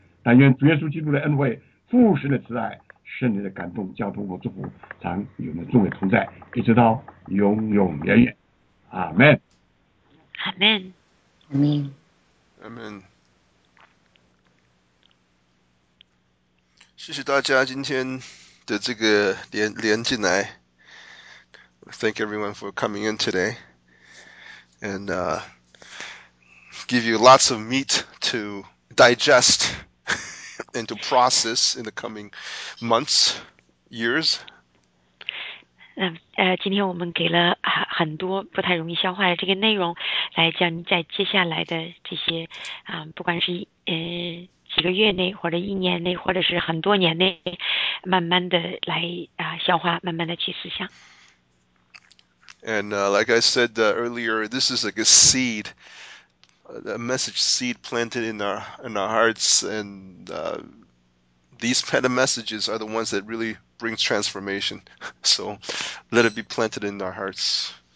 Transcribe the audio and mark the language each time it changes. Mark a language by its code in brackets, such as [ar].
[zh] 但愿主耶稣基督的恩惠、父神的慈爱、圣灵的感动、交通和祝福常与我们众位同在，一直到永永远远。阿门。阿门。阿门。阿门。谢谢大家今天的这个连进来。 [en] Thank everyone for coming in today. And give you lots of meat to digest and to process in the coming months, years. [zh] 今天我们给了很多不太容易消化的这个内容，来将在接下来的这些不管是几个月内，或者一年内，或者是很多年内，慢慢的来消化，慢慢的去思想。 [en] And like I said earlier, this is like a seed, a message seed planted in our hearts, and these kind of messages are the ones that really bring transformation. So let it be planted in our hearts.